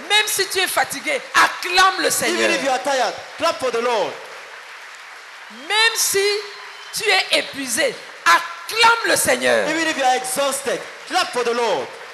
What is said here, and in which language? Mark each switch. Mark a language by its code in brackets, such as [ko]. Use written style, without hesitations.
[fr] Même si tu es fatigué, acclame le Seigneur. [en] Even if you are tired, clap for the Lord. [fr] Même si tu es épuisé, acclame le Seigneur. [en] Even if you are exhausted, clap for the Lord.